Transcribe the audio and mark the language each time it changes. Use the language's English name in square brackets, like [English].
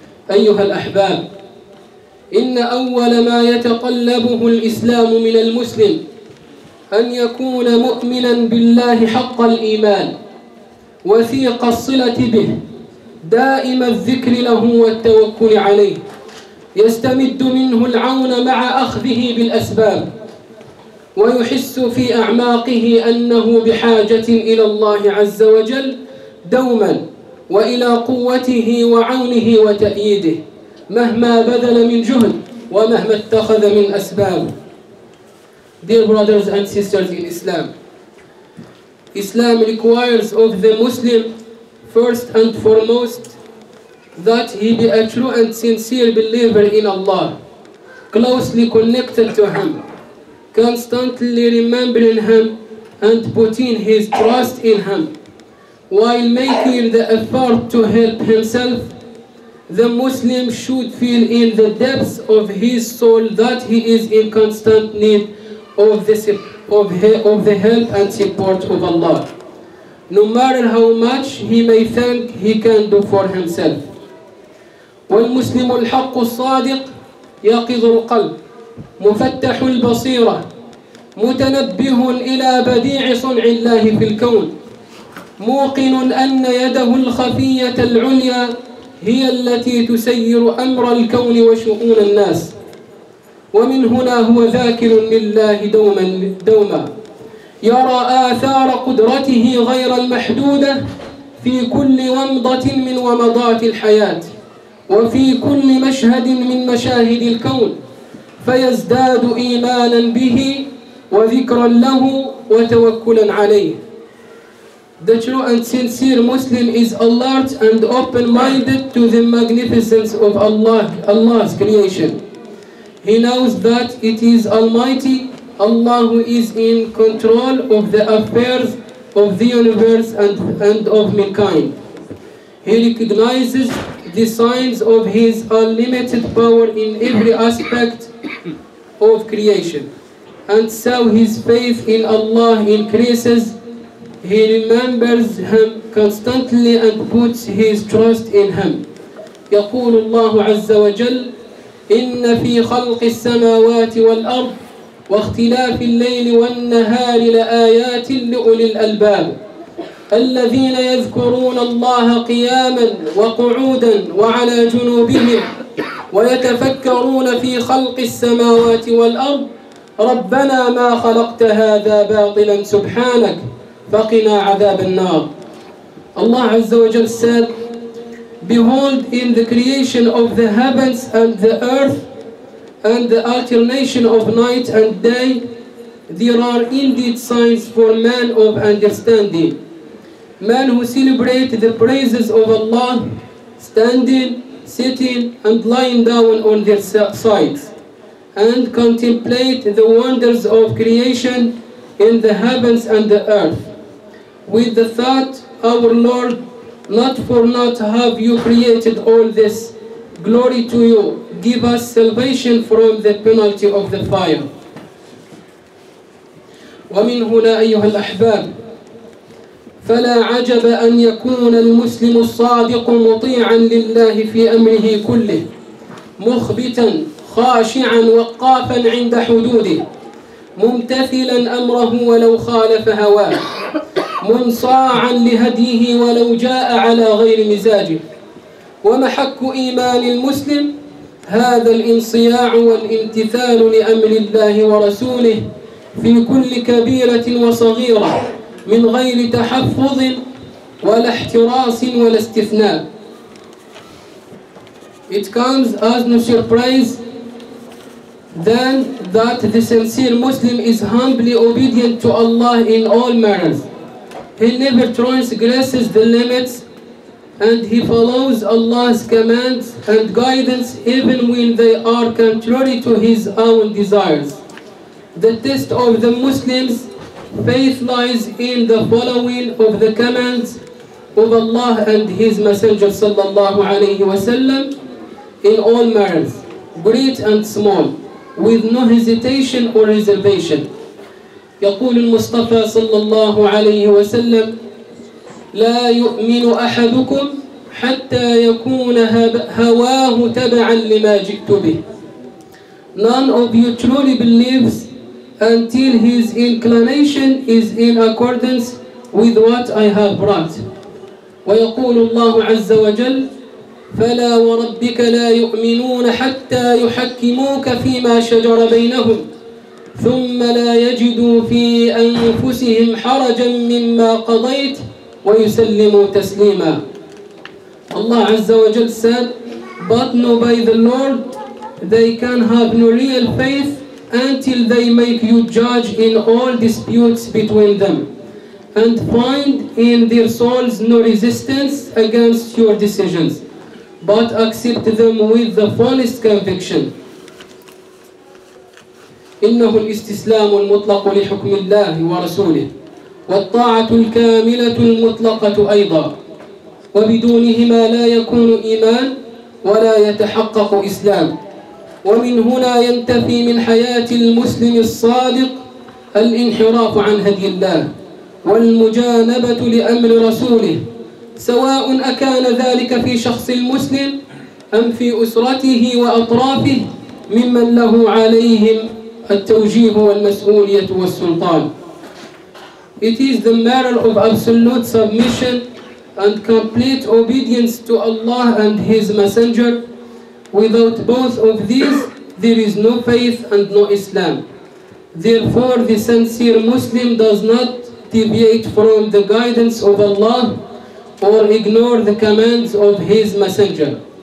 [Arabic] أيها الأحباب، إن أول ما يتطلبه الإسلام من المسلم أن يكون مؤمناً بالله حق الإيمان، وثيق الصلة به، دائم الذكر له والتوكل عليه، يستمد منه العون مع أخذه بالأسباب، ويحس في أعماقه أنه بحاجة إلى الله عز وجل دوماً، وإلى قوته وعونه وتأييده مهما بذل من جهد ومهما اتخذ من أسباب. [English] Dear brothers and sisters in Islam, Islam requires of the Muslim first and foremost that he be a true and sincere believer in Allah, closely connected to Him, constantly remembering Him and putting his trust in Him, while making the effort to help himself. The Muslim should feel in the depths of his soul that he is in constant need of the help and support of Allah, no matter how much he may think he can do for himself. [Arabic] والمسلم الحق الصادق يقظ القلب، مفتح البصيرة، متنبه إلى بديع صنع الله في الكون، موقن أن يده الخفية العليا هي التي تسير أمر الكون وشؤون الناس. ومن هنا هو ذاكر لله دوما يرى آثار قدرته غير المحدودة في كل ومضة من ومضات الحياة، وفي كل مشهد من مشاهد الكون، فيزداد إيمانا به وذكرا له وتوكلا عليه. [English] The true and sincere Muslim is alert and open-minded to the magnificence of Allah's creation. He knows that it is Almighty, Allah who is in control of the affairs of the universe and of mankind. He recognizes the signs of His unlimited power in every aspect of creation. And so his faith in Allah increases. He remembers Him constantly and puts His trust in Him. [Arabic] يقول الله عز وجل: إن في خلق السماوات والأرض واختلاف الليل والنهار لآيات لأولي الألباب الذين يذكرون الله قياما وقعودا وعلى جنوبهم ويتفكرون في خلق السماوات والأرض ربنا ما خلقت هذا باطلا سبحانك فقنا عذاب النار. الله عز وجل [English] said, behold in the creation of the heavens and the earth and the alternation of night and day, there are indeed signs for man of understanding. Man who celebrate the praises of Allah, standing, sitting, and lying down on their sides, and contemplate the wonders of creation in the heavens and the earth, with the thought, our Lord, not for naught have you created all this. Glory to you. Give us salvation from the penalty of the fire. [Arabic] ومن هنا أيها الأحباب فلا عجب أن يكون المسلم الصادق مطيعا لله في أمره كله مخبتا خاشعا وقافا عند حدوده ممتثلا أمره ولو خالف هواه منصاعا لهديه ولو جاء على غير مزاجه ومحك إيمان المسلم هذا الانصياع والامتثال لأمر الله ورسوله في كل كبيرة وصغيرة من غير تحفظ ولا احتراس ولا استثناء. [English] It comes as no surprise then that the sincere Muslim is humbly obedient to Allah in all matters. He never transgresses the limits and he follows Allah's commands and guidance even when they are contrary to his own desires. The test of the Muslim's faith lies in the following of the commands of Allah and His Messenger [Arabic] sallallahu alayhi wa sallam [English] in all matters, great and small, with no hesitation or reservation. [Arabic] يقول المصطفى صلى الله عليه وسلم لا يؤمن أحدكم حتى يكون هواه تبعا لما جئت به. [English] None of you truly believes until his inclination is in accordance with what I have brought. [Arabic] ويقول الله عز وجل فلا وربك لا يؤمنون حتى يحكموك فيما شجر بينهم ثم لا يجدوا في أنفسهم حرجا مما قضيت ويسلموا تسليما. الله عز وجل [English] said but no by the Lord they can have no real faith until they make you judge in all disputes between them and find in their souls no resistance against your decisions, but accept them with the fullest conviction. [Arabic] إنه الاستسلام المطلق لحكم الله ورسوله والطاعة الكاملة المطلقة أيضا وبدونهما لا يكون إيمان ولا يتحقق إسلام. ومن هنا ينتفي من حياة المسلم الصادق الانحراف عن هدي الله والمجانبة لأمر رسوله سواء أكان ذلك في شخص المسلم أم في أسرته وأطرافه ممن له عليهم التوجيه والمسؤولية والسلطان. [English] It is the matter of absolute submission and complete obedience to Allah and His Messenger. Without both of these, there is no faith and no Islam. Therefore, the sincere Muslim does not deviate from the guidance of Allah or ignore the commands of His Messenger.